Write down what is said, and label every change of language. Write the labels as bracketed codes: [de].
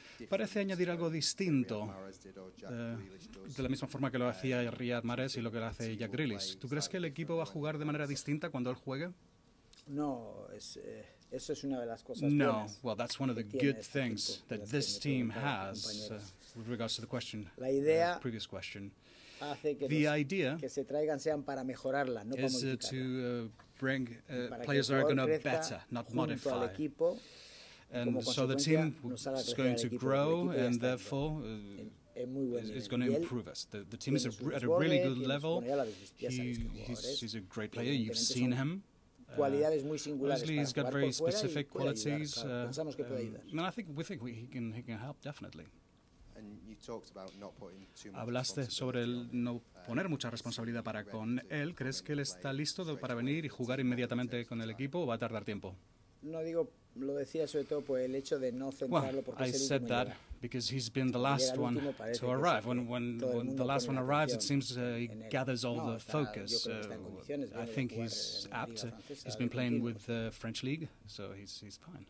[es] parece añadir algo distinto de la misma forma que lo hacía Riyad Mahrez y lo que lo hace Jack Grealish. ¿Tú crees que el equipo va a jugar de manera distinta cuando él juegue? No, eso es una de las cosas [en] buenas. No, well, that's one of the good things that this team has with regards to the question, [es] la idea, [en] previous question. The idea is to bring players are going to better, not modify. And so the team is going to grow, and therefore it's going to improve us. The team is at a really good level. He's a great player. You've seen him. Obviously, he's got very specific qualities. And I think we think he can help, definitely. And you talked about not putting too much responsibility. [es] Hablaste sobre el no poner mucha responsabilidad para con él. ¿Crees que él está listo para venir y jugar inmediatamente con el equipo o va a tardar tiempo? No digo, lo decía sobre todo por el hecho de no centrarlo porque [en] I said that because he's been the last one to arrive. When the last one arrives, it seems he gathers all the focus. I think he's apt. He's been playing with the French league, so he's fine.